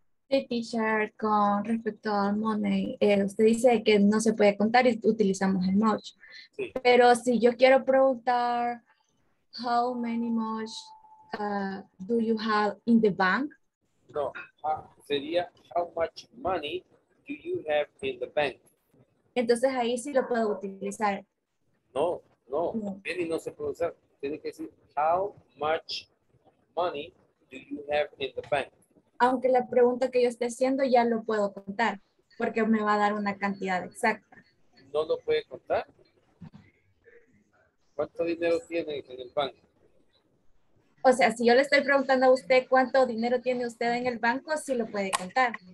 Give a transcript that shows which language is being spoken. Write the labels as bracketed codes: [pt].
[es] Sí, teacher, con respecto al money, usted dice que no se puede contar y utilizamos el much. Sí. Pero si yo quiero preguntar, [en] how many much do you have in the bank? [es] No, sería [en] how much money do you have in the bank? [es] Entonces ahí sí lo puedo utilizar. No, no, money no se puede usar. Tiene que decir [en] how much money do you have in the bank? [es] Aunque la pregunta que yo esté haciendo ya lo puedo contar, porque me va a dar una cantidad exacta. ¿No lo puede contar? ¿Cuánto dinero tiene en el banco? O sea, si yo le estoy preguntando a usted cuánto dinero tiene usted en el banco, sí lo puede contar.